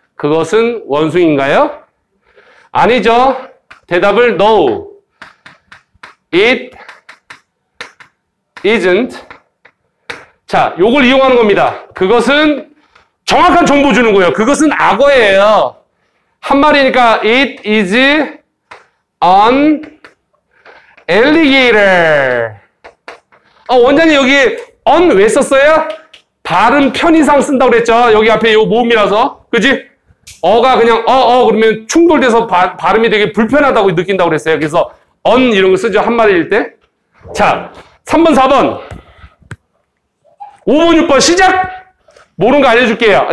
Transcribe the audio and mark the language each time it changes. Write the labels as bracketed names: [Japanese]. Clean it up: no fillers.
[Korean] 그것은 원숭인가요? 아니죠. 대답을 [English] No. It isn't. [Korean] 자, 요걸 이용하는 겁니다. 그것은 정확한 정보 주는 거예요. 그것은 악어예요. 한 마리니까 [English] It is an alligator. [Korean] 원장님 여기 an 왜 썼어요? 발음 편의상 쓴다고 그랬죠. 여기 앞에 요 모음이라서. 그지? 어가 그냥 그러면 충돌돼서 발음이 되게 불편하다고 느낀다고 그랬어요. 그래서 an 이런 거 쓰죠. 한 마리일 때. 자, 3번, 4번. 5번, 6번 시작! 모르는 거 알려줄게요.